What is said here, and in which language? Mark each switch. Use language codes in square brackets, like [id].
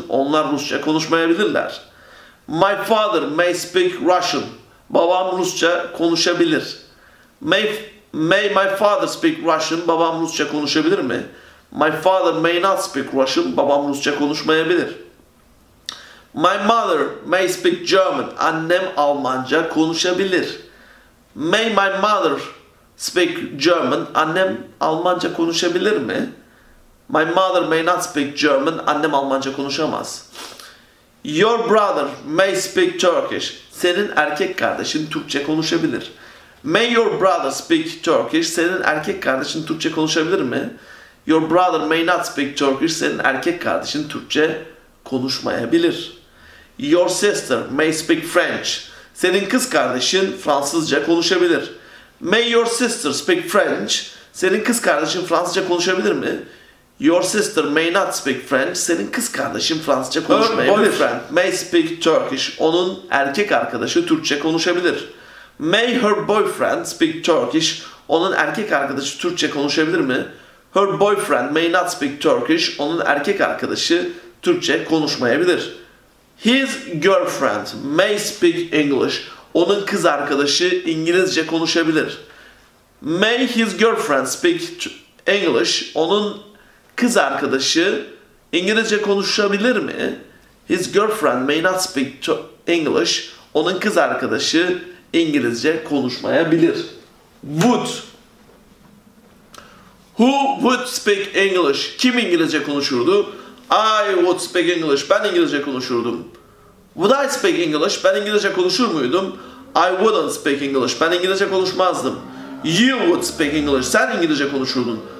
[tr] Onlar Rusça konuşmayabilirler. [en] My father may speak Russian. [tr] Babam Rusça konuşabilir. [en] May my father speak Russian? [tr] Babam Rusça konuşabilir mi? [en] My father may not speak Russian. [tr] Babam Rusça konuşmayabilir. [en] My mother may speak German. [tr] Annem Almanca konuşabilir. [en] May my mother speak German? [tr] Annem Almanca konuşabilir mi? [en] My mother may not speak German. [tr] Annem Almanca konuşamaz. [en] Your brother may speak Turkish. [tr] Senin erkek kardeşin Türkçe konuşabilir. [en] May your brother speak Turkish. [tr] Senin erkek kardeşin Türkçe konuşabilir mi? [en] Your brother may not speak Turkish. [tr] Senin erkek kardeşin Türkçe konuşmayabilir. [en] Your sister may speak French. [tr] Senin kız kardeşin Fransızca konuşabilir. [en] May your sister speak French. [tr] Senin kız kardeşin Fransızca konuşabilir mi? [en] Your sister may not speak French. [tr] Senin kız kardeşin Fransızca konuşmayabilir. [en] Her boyfriend may speak Turkish. [tr] Onun erkek arkadaşı Türkçe konuşabilir. [en] May her boyfriend speak Turkish. [tr] Onun erkek arkadaşı Türkçe konuşabilir mi? [en] Her boyfriend may not speak Turkish. [tr] Onun erkek arkadaşı Türkçe konuşmayabilir. [en] His girlfriend may speak English. [tr] Onun kız arkadaşı İngilizce konuşabilir. [en] May his girlfriend speak English. [tr] Onun kız arkadaşı İngilizce konuşabilir mi? [en] His girlfriend may not speak English. [tr] Onun kız arkadaşı İngilizce konuşmayabilir. [en] Would. Who would speak English? [tr] Kim İngilizce konuşurdu? [en] I would speak English. [tr] Ben İngilizce konuşurdum. [en] Would I speak English? [tr] Ben İngilizce konuşur muydum? [en] I wouldn't speak English. [tr] Ben İngilizce konuşmazdım. [en] You would speak English. [tr] Sen İngilizce konuşurdun.